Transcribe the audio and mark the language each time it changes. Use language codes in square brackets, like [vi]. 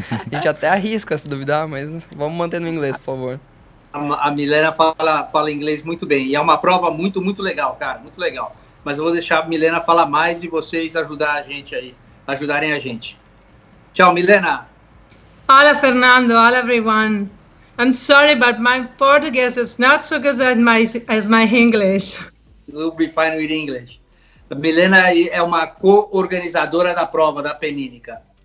[pt] A gente até arrisca se duvidar, mas vamos manter no inglês, por favor. A Milena fala inglês muito bem e é uma prova muito, muito legal, cara, muito legal. Mas eu vou deixar a Milena falar mais e vocês ajudarem a gente. Tchau, Milena. [es] Hola, Fernando. Hola, everyone. [en] I'm sorry, but my Portuguese is not so good as my English. You'll be fine with English. [pt] A Milena é uma co-organizadora da prova da Penínica.